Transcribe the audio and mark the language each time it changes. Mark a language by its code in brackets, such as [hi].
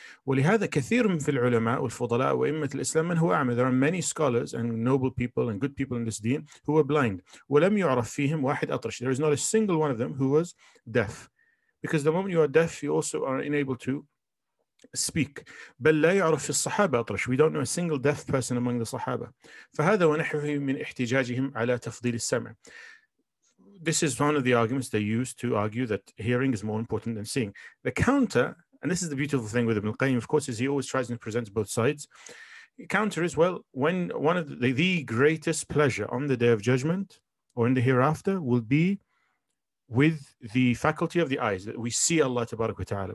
[ar] ولهذا كثير من في العلماء والفضلاء وإمة الإسلام من هو أعمى. [en] There are many scholars and noble people and good people in this deen who were blind. [ar] ولم يعرف فيهم واحد أطرش. [en] There is not a single one of them who was deaf, because the moment you are deaf, you also are unable to speak. [ar] بل لا يعرف في الصحابة أطرش. [en] We don't know a single deaf person among the Sahaba. [ar] فهذا ونحوه من احتجاجهم على تفضيل السمع. [en] This is one of the arguments they use to argue that hearing is more important than seeing. The counter, and this is the beautiful thing with Ibn Qayyim, of course, is he always tries and presents both sides. The counter is, well, when one of the greatest pleasure on the Day of Judgment or in the hereafter will be with the faculty of the eyes, that we see Allah tabarak wa ta'ala.